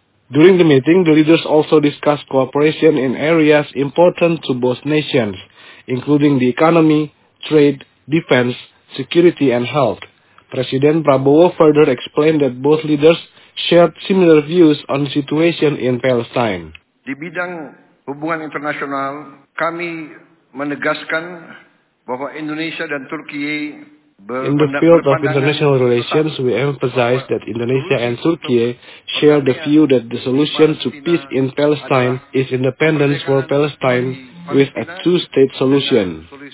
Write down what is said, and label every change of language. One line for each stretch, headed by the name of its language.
English: During the meeting, the leaders also discussed cooperation in areas important to both nations, including the economy, trade, defense, security, and health. President Prabowo further explained that both leaders shared similar views on the situation in Palestine.
Indonesian: Di bidang hubungan internasional, kami menegaskan bahwa Indonesia dan Turki
English: in the field of international relations, we emphasize that Indonesia and Turkey share the view that the solution to peace in Palestine is independence for Palestine with a two-state solution.